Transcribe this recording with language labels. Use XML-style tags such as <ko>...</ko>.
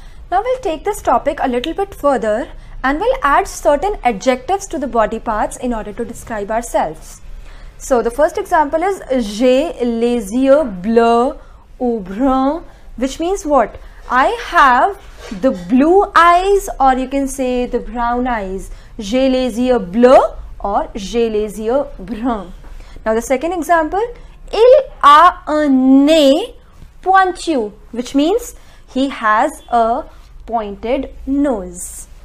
<en>Now we'll take this topic a little bit further and we'll add certain adjectives to the body parts in order to describe ourselves. So the first example is</en> <fr>j'ai les yeux bleus ou bruns,</fr> <en>which means what? I have the blue eyes, or you can say the brown eyes.</en> <fr>J'ai les yeux bleus or j'ai les yeux bruns.</fr> <en>Now the second example,</en> <fr>il a un nez pointu,</fr> <en>which means he has a pointed nose.</en>